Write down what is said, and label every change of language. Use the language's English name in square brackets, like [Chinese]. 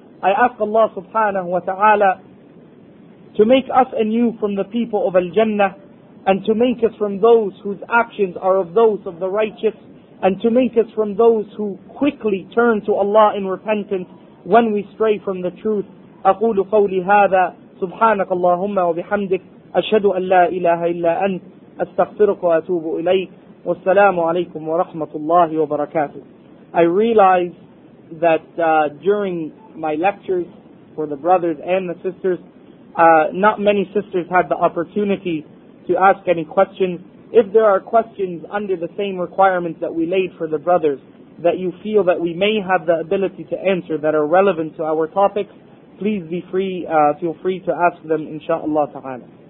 [English] I ask Allah subhanahu wa ta'ala to make us and you from the people of Al-Jannah and to make us from those whose actions are of those of the righteous and to make us from those who quickly turn to Allah in repentance when we stray from the truth. [Arabic] أقول قولي هذا سبحانك اللهم وبحمدك أشهد أن لا إله إلا أنت أستغفرك وأتوب إليك والسلام عليكم ورحمة الله وبركاته. [English] I realize that during my lectures for the brothers and the sisters, not many sisters had the opportunity to ask any questions. If there are questions under the same requirements that we laid for the brothers that you feel that we may have the ability to answer that are relevant to our topics, please be free, feel free to ask them, inshaAllah ta'ala.